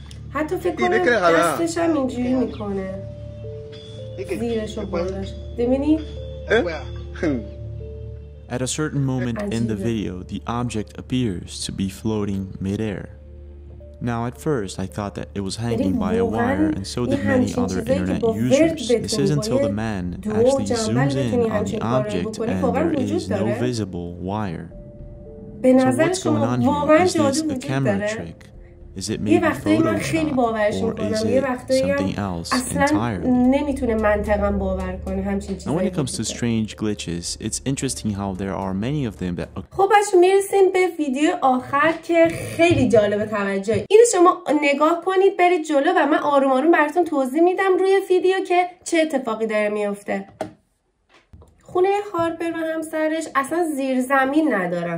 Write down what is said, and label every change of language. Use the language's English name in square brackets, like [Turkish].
[Persian] حتی فکر کنم دستش هم اینجوری میکنه زیرش و بردش دمینی؟ [English] At a certain moment in the video, the object appears to be floating mid-air. Now, at first, I thought that it was hanging by a wire, and so did many other internet users. This is until the man actually zooms in on the object, and there is no visible wire. So what's going on here? Is this a camera trick? Is it maybe Photoshop, or is it something else entirely? And when it comes to strange glitches, it's interesting how there are many of them that occur. [Persian] خب باشه میرسیم به ویدیو آخر که خیلی جالب توجه. اینو شما نگاه کنید برید جلو و من آروم آروم براتون توضیح میدم روی ویدیو که چه اتفاقی داره میفته. خونه هارپر و همسرش اصلا زیر زمین ندارن.